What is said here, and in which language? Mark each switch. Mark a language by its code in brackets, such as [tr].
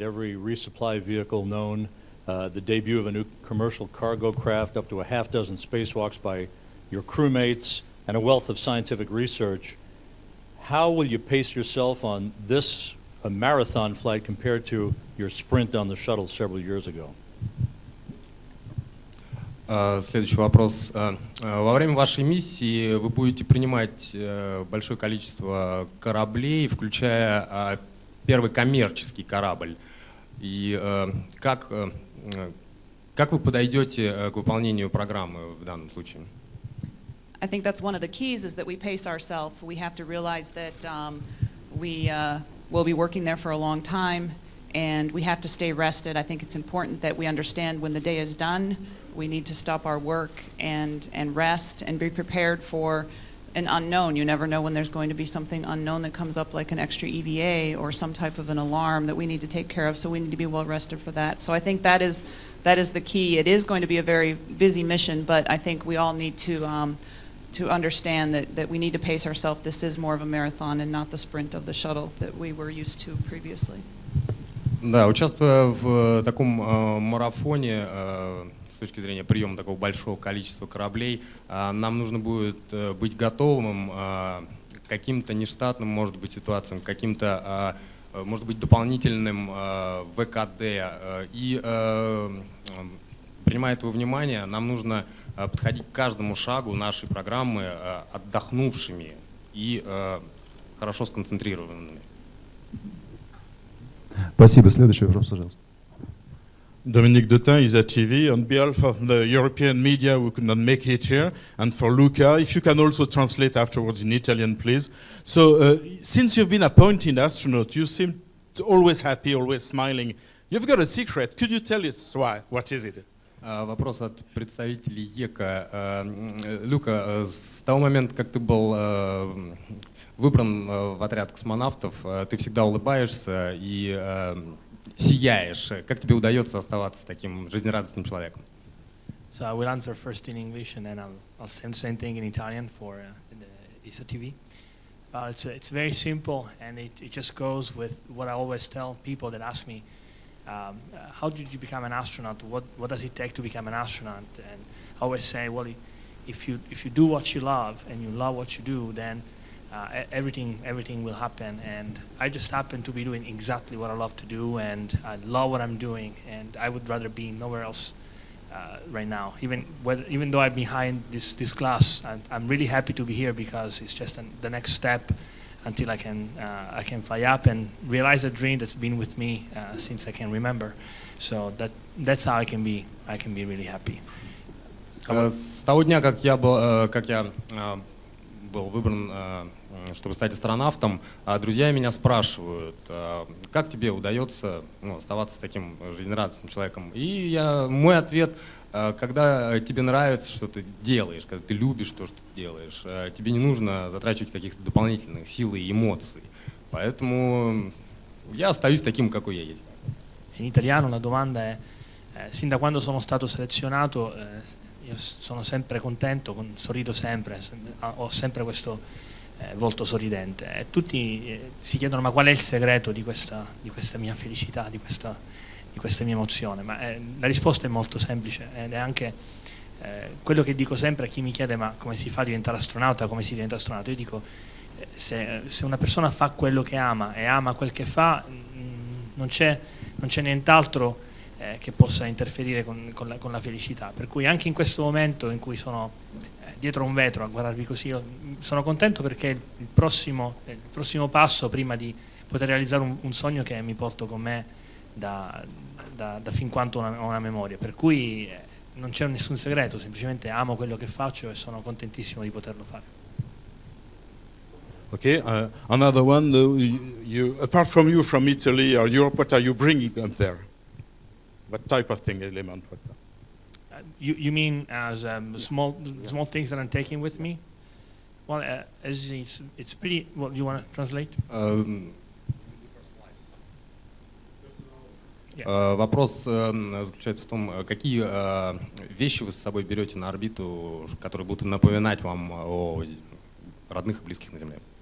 [en] Every resupply vehicle known, the debut of a new commercial cargo craft, up to a half dozen spacewalks by your crewmates, and a wealth of scientific research. How will you pace yourself on this a marathon flight compared to your sprint on the shuttle several years ago? [ru] Следующий вопрос. Во время вашей миссии вы будете принимать большое количество кораблей, включая первый коммерческий корабль. И как вы подойдете к выполнению программы в данном случае? [en] I think that's one of the keys is that we pace ourselves. We have to realize that we'll be working there for a long time, and we have to stay rested. I think it's important that we understand when the day is done, we need to stop our work and rest and be prepared for an unknown. You never know when there's going to be something unknown that comes up, like an extra EVA or some type of an alarm that we need to take care of. So we need to be well rested for that. So I think that is the key. It is going to be a very busy mission, but I think we all need to understand that we need to pace ourselves. This is more of a marathon and not the sprint of the shuttle that we were used to previously. [ru] Да, участвуя в таком марафоне с точки зрения приема такого большого количества кораблей, нам нужно будет быть готовым к каким-то нештатным, может быть, ситуациям, каким-то, может быть, дополнительным ВКД. И принимая это во внимание, нам нужно подходить к каждому шагу нашей программы отдохнувшими и хорошо сконцентрированными. Спасибо. Следующий вопрос, пожалуйста. [en] Dominique Dotin, ISA TV, on behalf of the European media who could not make it here, and for Luca, if you can also translate afterwards in Italian, please. So, since you've been appointed astronaut, you seem always happy, always smiling. You've got a secret. Could you tell us why? What is it? [ru] Вопрос от представителей ЕКА. Люка, с того момента, как ты был выбран в отряд космонавтов, ты всегда улыбаешься и сияешь. Как тебе удается оставаться таким жизнерадостным человеком? [en] So I will answer first in English and then I'll say the same thing in Italian for the ESA TV. But it's very simple and it just goes with what I always tell people that ask me, how did you become an astronaut? What does it take to become an astronaut? And I always say, well, if you do what you love and you love what you do, then everything will happen. And I just happen to be doing exactly what I love to do, and I love what I'm doing, and I would rather be nowhere else right now. Even though I'm behind this glass, I'm really happy to be here because it's just the next step until I can fly up and realize a dream that's been with me since I can remember. So that's how I can be really happy. [ru] С того дня, как я был выбран, чтобы стать астронавтом, друзья меня спрашивают, как тебе удается оставаться таким жизнерадостным человеком? И мой ответ, когда тебе нравится, что ты делаешь, когда ты любишь то, что ты делаешь, тебе не нужно затрачивать каких-то дополнительных сил и эмоций. Поэтому я остаюсь таким, какой я есть. [it] In italiano la domanda è, sin da quando sono stato selezionato, io sono sempre contento, sorrido sempre, ho sempre questo volto sorridente. E tutti si chiedono, ma qual è il segreto di questa mia felicità, di questa mia emozione? Ma la risposta è molto semplice ed è anche quello che dico sempre a chi mi chiede, ma come si fa a diventare astronauta, come si diventa astronauta? Io dico, se una persona fa quello che ama e ama quel che fa, non c'è nient'altro che possa interferire con la felicità. Per cui anche in questo momento in cui sono dietro un vetro a guardarvi così, io sono contento perché il prossimo passo prima di poter realizzare un sogno che mi porto con me da fin quanto ho una memoria. Per cui non c'è nessun segreto, semplicemente amo quello che faccio e sono contentissimo di poterlo fare. [en] Ok, another one. You, apart from you from Italy or Europe, what are you bringing them there? What type of thing, element? You mean as small things that I'm taking with me? Well, as it's pretty. What do you want to translate? [ru] Вопрос заключается в том, какие вещи вы с собой берете на орбиту, которые будут напоминать вам о родных и близких на Земле?